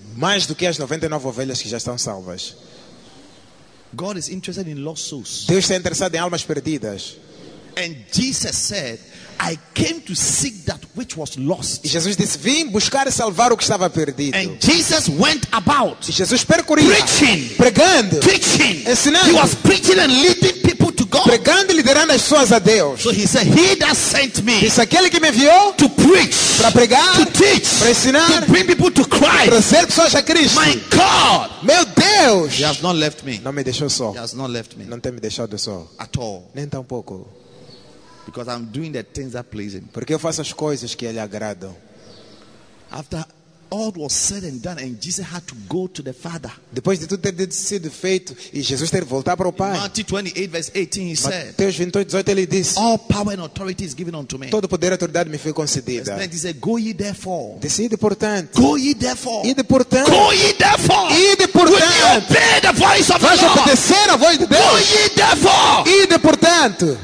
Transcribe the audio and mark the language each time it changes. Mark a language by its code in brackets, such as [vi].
[pt] Mais do que as 99 ovelhas que já estão salvas. [en] God is interested in lost souls. [pt] Deus está interessado em almas perdidas. [en] And Jesus said, I came to seek that which was lost. [pt] E Jesus disse, vim buscar e salvar o que estava perdido. [en] And Jesus went about. [pt] E Jesus percorria. [en] Preaching. [pt] Pregando. [en] Teaching. [pt] Ensinando. [en] He was preaching and leading people to God. [pt] pregando e liderando as pessoas a Deus. [en] So he said, he that sent me, [pt] disse aquele que me enviou [en] to preach, [pt] para pregar, [en] to teach, [pt] para ensinar, [en] to bring people to Christ, [pt] para trazer pessoas a Cristo. [en] My God, [pt] meu Deus, [en] he has not left me. [pt] Não me deixou só. [en] He has not left me. [pt] Não tem me deixado só. [en] At all. [pt] Nem tampouco. [en] Because I'm doing the things that please him. [pt] Porque eu faço as coisas que ele agrada. [en] After all was said and done, and Jesus had to go to the Father. [pt] Depois de tudo ter sido feito e Jesus ter voltado para o Pai. [en] Matthew 28:18, [pt] ele disse: [en] all power and authority is given unto me. [pt] Todo poder e autoridade me foi concedida. [en] Then he said, go ye therefore. [pt] Decide portanto. [en] Go ye therefore. [pt] Ide portanto. [en] Go ye therefore. [pt] Ide portanto. [en] Will you obey the voice of [pt] Vais [en] the Lord? [pt] Obedecer a voz de Deus. [en] Go ye therefore. [pt] Ide portanto.